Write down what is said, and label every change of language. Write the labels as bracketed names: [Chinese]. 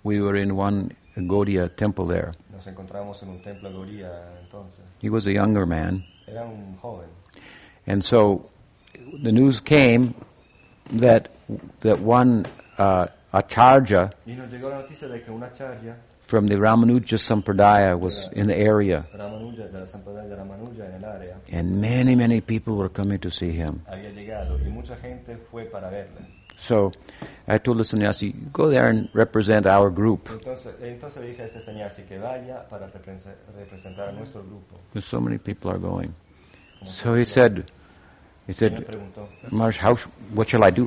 [English] We were in one Gaudiya temple there. [Spanish] Nos encontramos en un templo Gaudiya entonces. [English] He was a younger man. [Spanish] Era un joven. [English] And so the news came that one acharya, [Spanish] y nos llegó la noticia de que una acharya [English] from the Ramanuja Sampradaya was in the area. [Spanish] Ramanuja, de la Sampradaya de Ramanuja, en el área. [English] And many, many people were coming to see him. [Spanish] Había llegado, y mucha gente fue para verle. [English] So I told the sannyasi, go there and represent our group. [Spanish] Entonces dije a ese sannyasi que vaya para representar a nuestro grupo. [English] Because so many people are going. So he said, Marsh, what shall I do?